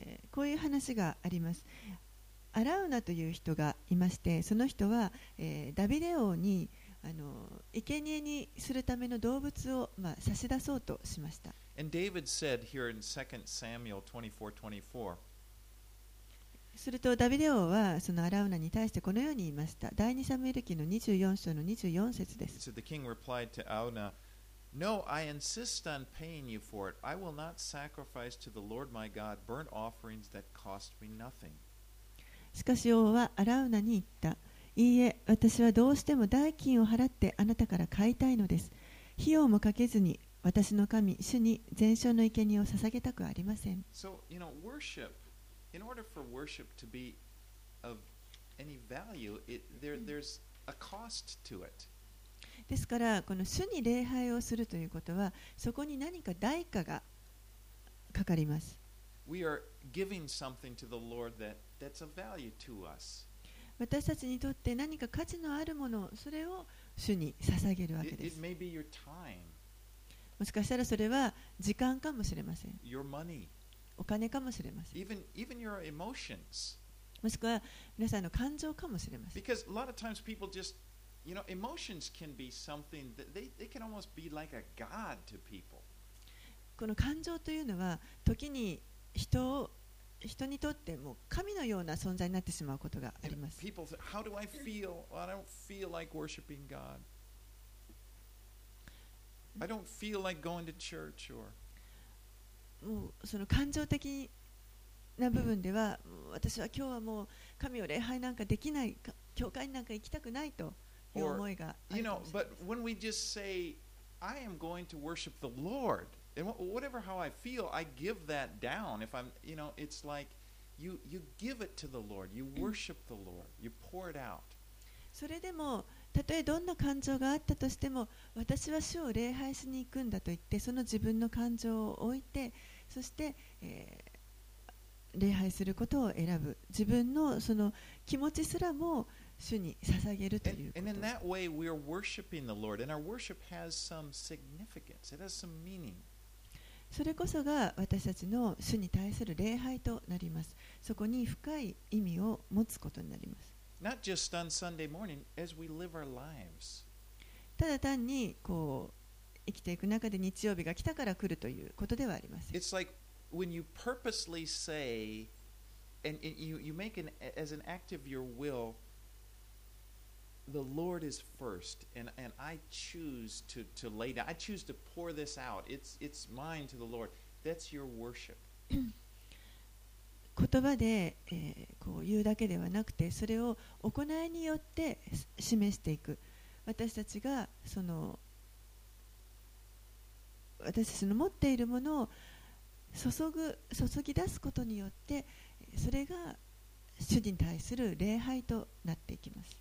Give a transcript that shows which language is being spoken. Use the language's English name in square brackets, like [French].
[Japanese] こういう話があります。アラウナという人がいまして、その人は、ダビデ王に生贄にするための動物を、まあ、差し出そうとしました。 [English] And David said here in 2 Samuel 24:24. [Japanese] するとダビデ王はそのアラウナに対してこのように言いました。第二サムエル記の24章の24節です。 [English] So the king replied to Arauna, No, I insist on paying you for it. I will not sacrifice to the Lord my God burnt offerings that cost me nothing. [Japanese] しかし王はアラウナに言った。いいえ、私はどうしても代金を払ってあなたから買いたいのです。費用もかけずに私の神主に全焼の生贄を捧げたくありません。 [English] So, you know, worshipIn order for worship to be of any value, there's a cost to it. [Japanese] ですから、この主に礼拝をするということは、そこに何か代価がかかります。 [English] We are giving something to the Lord that's a value to us. [Japanese] 私たちにとって何か価値のあるもの、それを主に捧げるわけです。 [English] It may be your time. [Japanese] もしかしたらそれは時間かもしれません。 [English] Your money. [Japanese] お金かもしれません。 [English] Even your emotions. [Japanese] もしくは皆さんの感情かもしれません。 [English] Because a lot of times people just, you know, emotions can be something that they can almost be like a god to people. [Japanese] この感情というのは時に人にとっても神のような存在になってしまうことがあります。 [English] People say, how do I feel? I don't feel like worshiping God. I don't feel like going to church or. [Japanese] もうその感情的な部分では、私は今日はもう神を礼拝なんかできない、教会なんか行きたくないという思いがあります。 [English] But when we just say I am going to worship the Lord and whatever how I feel I give that down if I'm, you know, it's like you give it to the Lord, you worship the Lord, you pour it out. [Japanese] それでもたとえどんな感情があったとしても、私は主を礼拝しに行くんだと言って、その自分の感情を置いて、そして、礼拝することを選ぶ、自分のその気持ちすらも主に捧げるということ。 [English] And in that way we are worshiping the Lord and our worship has some significance, it has some meaning. [Japanese] それこそが私たちの主に対する礼拝となります。そこに深い意味を持つことになります。 [English] Not just on Sunday morning, as we live our lives. [Japanese] ただ単にこう生きていく中で日曜日が来たから来るということではありません。 [English] It's like when you purposely say, and you make an as an act of your will, the Lord is first, and I choose to lay down, I choose to pour this out. It's mine to the Lord. That's your worship. [Japanese] 言葉で、こう言うだけではなくて、それを行いによって示していく。私たちがその私たちの持っているものを注ぎ出すことによって、それが主に対する礼拝となっていきます。